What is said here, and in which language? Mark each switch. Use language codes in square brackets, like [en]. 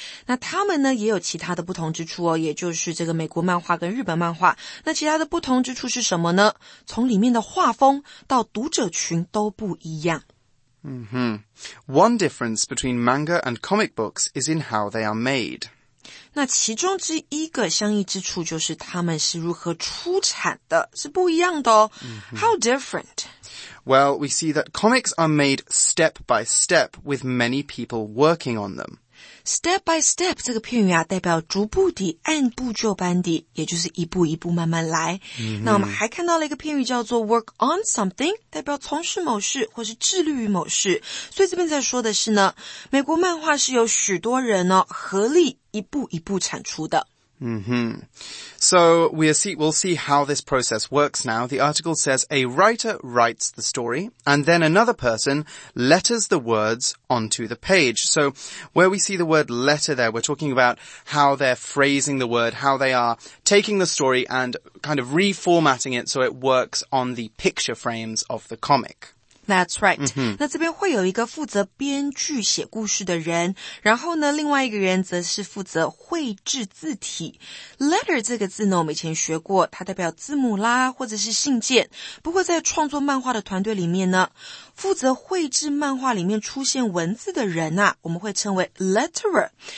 [zh] 那他们呢也有其他的不同之处哦，也就是这个美国漫画跟日本漫画。那其他的不同之处是什么呢？从里面的画风到读者群都不一样。 [en] Mm-hmm. One difference between manga and comic books is in how they are made. [zh] 那其中之一个相异之处就是他们是如何出产的，是不一样的哦。 [en] Mm-hmm. How different? Well, we see that comics are made step by step with many people working on them. Step by step [zh] 这个片语啊，代表逐步地、按部就班地，也就是一步一步慢慢来。 [en] Mm-hmm. [zh] 那我们还看到了一个片语叫做 [en] work on something, [zh] 代表从事某事或是致力于某事。所以这边在说的是呢，美国漫画是有许多人呢、哦、合力一步一步产出的。 [en] Mm-hmm. So we'll see how this process works now. The article says a writer writes the story and then another person letters the words onto the page. So where we see the word letter there, we're talking about how they're phrasing the word, how they are taking the story and kind of reformatting it so it works on the picture frames of the comic. That's right.、 Mm-hmm. [zh] 那这边会有一个负责编剧写故事的人，然后呢，另外一个人则是负责绘制字体。 Letter 这个字呢，我们以前学过，它代表字母啦，或者是信件。不过在创作漫画的团队里面呢，负责绘制漫画里面出现文字的人啊，我们会称为 letterer。